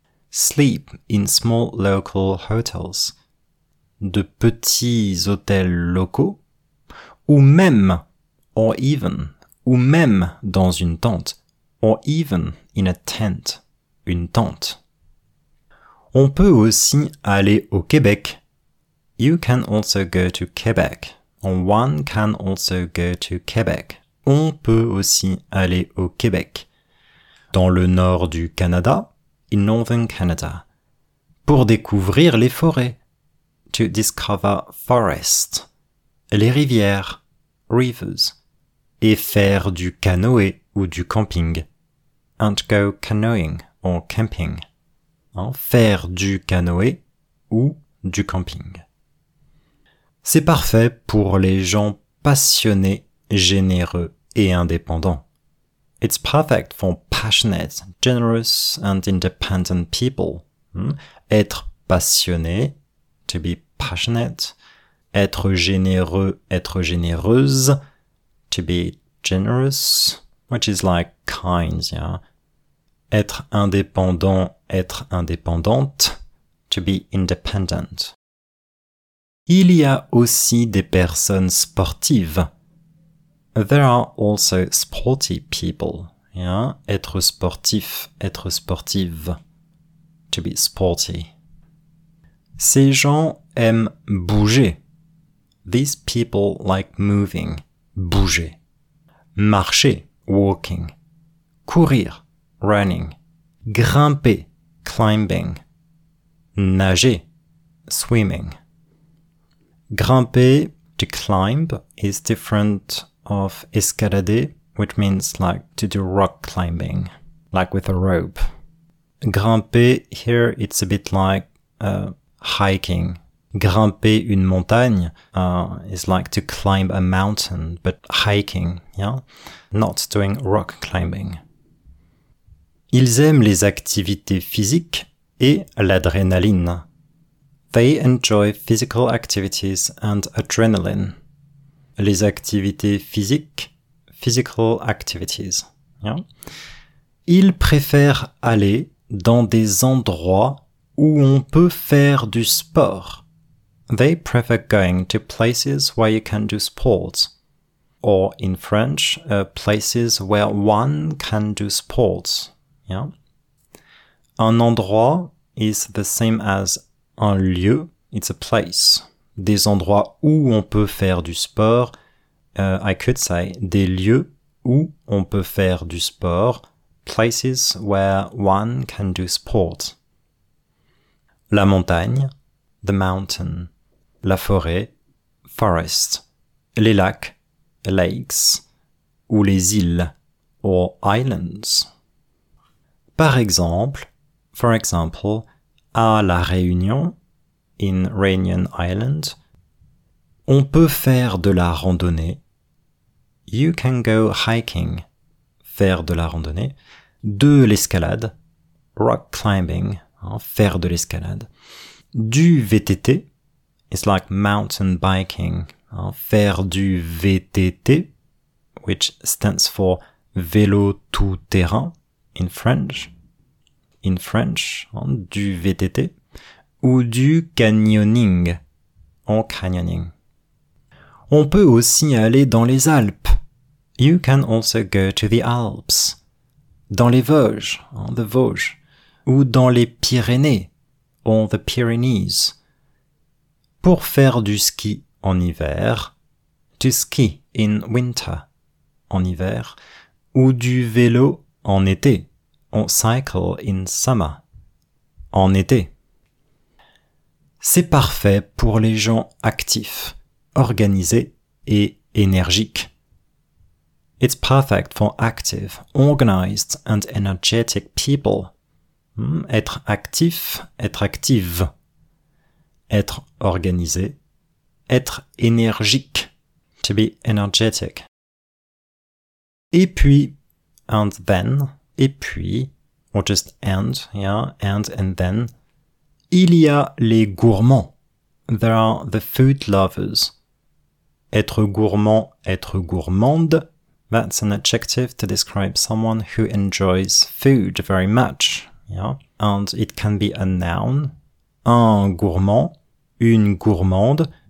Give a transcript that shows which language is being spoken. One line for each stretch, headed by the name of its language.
English: Sleep in small local hotels.
French: De petits hôtels locaux. Ou même,
English: or even,
French: ou même dans une tente.
English: Or even in a tent.
French: Une tente. On peut aussi aller au Québec.
English: You can also go to Quebec. One can also go to Quebec.
French: On peut aussi aller au Québec. Dans le nord du Canada.
English: In northern Canada.
French: Pour découvrir les forêts.
English: To discover forests.
French: Les rivières.
English: Rivers.
French: Et faire du canoë ou du camping.
English: And go canoeing or camping.
French: Faire du canoë ou du camping. C'est parfait pour les gens passionnés, généreux et indépendants.
English: It's perfect for passionate, generous and independent people.
French: Être passionné,
English: to be passionate.
French: Être généreux, être généreuse,
English: to be generous, which is like kind, yeah.
French: Être indépendant, être indépendante,
English: to be independent.
French: Il y a aussi des personnes sportives.
English: There are also sporty people. Yeah?
French: Être sportif, être sportive.
English: To be sporty.
French: Ces gens aiment bouger.
English: These people like moving.
French: Bouger. Marcher.
English: Walking.
French: Courir.
English: Running.
French: Grimper.
English: Climbing.
French: Nager.
English: Swimming.
French: Grimper,
English: to climb, is different of escalader, which means like to do rock climbing, like with a rope. Grimper, here it's a bit like hiking.
French: Grimper une montagne
English: is like to climb a mountain, but hiking, yeah? Not doing rock climbing.
French: Ils aiment les activités physiques et l'adrénaline.
English: They enjoy physical activities and adrenaline.
French: Les activités physiques,
English: physical activities. Yeah.
French: Ils préfèrent aller dans des endroits où on peut faire du sport.
English: They prefer going to places where you can do sports. Or in French, places where one can do sports. Yeah. Un endroit is the same as un lieu, it's a place.
French: Des endroits où on peut faire du sport.
English: I could say
French: des lieux où on peut faire du sport.
English: Places where one can do sport.
French: La montagne.
English: The mountain.
French: La forêt.
English: Forest.
French: Les lacs.
English: Lakes.
French: Ou les îles.
English: Or islands.
French: Par exemple.
English: For example.
French: À La Réunion,
English: in Réunion Island,
French: on peut faire de la randonnée.
English: You can go hiking,
French: faire de la randonnée. De l'escalade,
English: rock climbing,
French: faire de l'escalade. Du VTT,
English: it's like mountain biking,
French: faire du VTT,
English: which stands for
French: vélo tout terrain,
English: in French. In French,
French: du VTT, ou du canyoning, en canyoning. On peut aussi aller dans les Alpes.
English: You can also go to the Alps.
French: Dans les Vosges,
English: the Vosges,
French: ou dans les Pyrénées,
English: on the Pyrenees.
French: Pour faire du ski en hiver,
English: to ski in winter,
French: en hiver, ou du vélo en été.
English: On cycle in summer.
French: En été. C'est parfait pour les gens actifs, organisés et énergiques.
English: It's perfect for active, organized and energetic people.
French: Être actif, être active. Être organisé. Être énergique.
English: To be energetic.
French: Et puis,
English: and then,
French: et puis,
English: or just and, yeah, and then.
French: Il y a les gourmands.
English: There are the food lovers.
French: Être gourmand, être gourmande.
English: That's an adjective to describe someone who enjoys food very much. Yeah. And it can be a noun.
French: Un gourmand, une gourmande.